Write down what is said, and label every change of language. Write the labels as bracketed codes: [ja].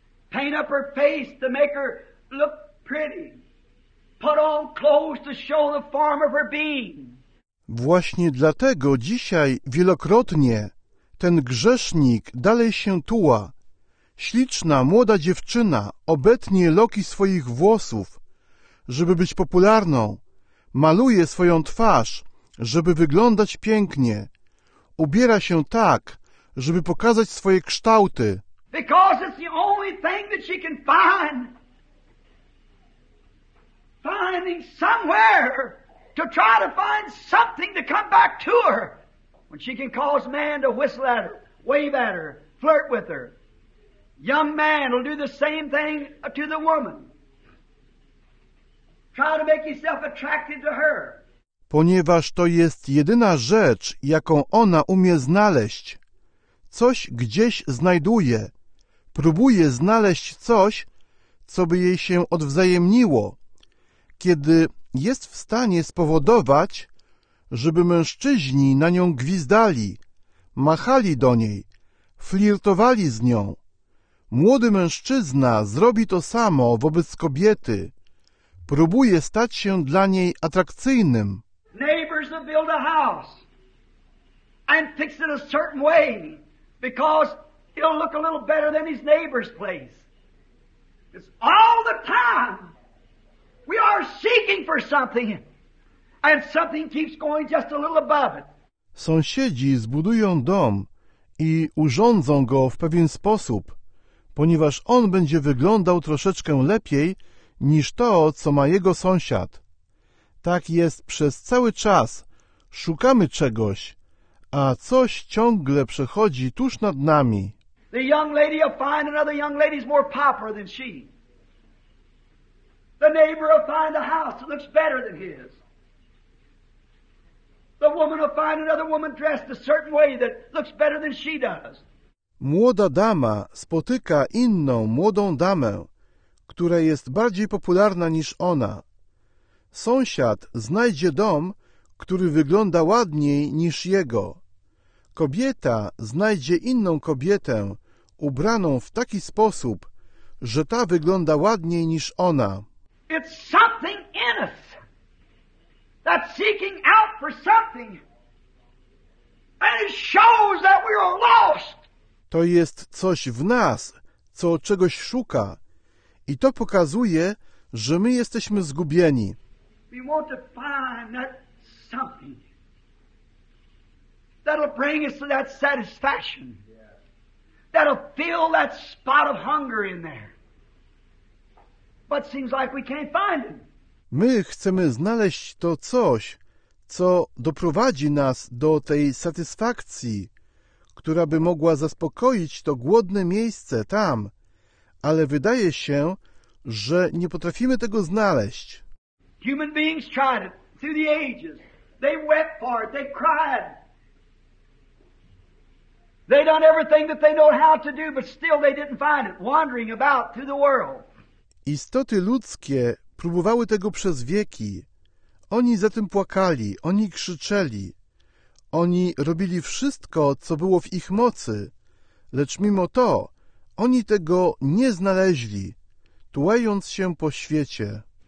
[en] paint up her face to make her look pretty, put on clothes to show the form of her being. [pl] Właśnie dlatego dzisiaj wielokrotnie ten grzesznik dalej się tuła. Śliczna, młoda dziewczyna obetnie loki swoich włosów, żeby być popularną. Maluje swoją twarz, żeby wyglądać pięknie. Ubiera się tak, żeby pokazać swoje kształty. [en] Because it's the only thing that she can find. Finding somewhere to try to find something to come back to her. When she can cause man to whistle at her, wave at her, flirt with her. Young man will do the same thing to the woman. Try to make yourself attracted to her. [pl] Ponieważ to jest jedyna rzecz, jaką ona umie znaleźć. Coś gdzieś znajduje. Próbuje znaleźć coś, co by jej się odwzajemniło. Kiedy jest w stanie spowodować, żeby mężczyźni na nią gwizdali, machali do niej, flirtowali z nią. Młody mężczyzna zrobi to samo wobec kobiety. Próbuje stać się dla niej atrakcyjnym. [en] Neighbors will build a house and fix it a certain way because it'll look a little better than his neighbor's place. It's all the time we are seeking for something and something keeps going just a little above it. [pl] Sąsiedzi zbudują dom i urządzą go w pewien sposób, ponieważ on będzie wyglądał troszeczkę lepiej niż to, co ma jego sąsiad. Tak jest przez cały czas. Szukamy czegoś, a coś ciągle przechodzi tuż nad nami. [en] The young lady will find another young lady's more popular than she. The neighbor will find a house that looks better than his. The woman will find another woman dressed a certain way that looks better than she does. [pl] Młoda dama spotyka inną młodą damę, która jest bardziej popularna niż ona. Sąsiad znajdzie dom, który wygląda ładniej niż jego. Kobieta znajdzie inną kobietę, ubraną w taki sposób, że ta wygląda ładniej niż ona. [en] It's something in us that's seeking out for something. And it shows that we are lost. [pl] To jest coś w nas, co czegoś szuka. I to pokazuje, że my jesteśmy zgubieni. [en] We want to find that something that'll bring us to that satisfaction. That'll fill that spot of hunger in there. But seems like we can't find it. [pl] My chcemy znaleźć to coś, co doprowadzi nas do tej satysfakcji, która by mogła zaspokoić to głodne miejsce tam, ale wydaje się, że nie potrafimy tego znaleźć. [en] Human beings tried it through the ages. They wept for it. They cried. They done everything that they know how to do, but still they didn't find it, wandering about through the world. [pl] Istoty ludzkie próbowały tego przez wieki. Oni za tym płakali, oni krzyczeli. Oni robili wszystko, co było w ich mocy, lecz mimo to oni tego nie znaleźli, tułając się po świecie.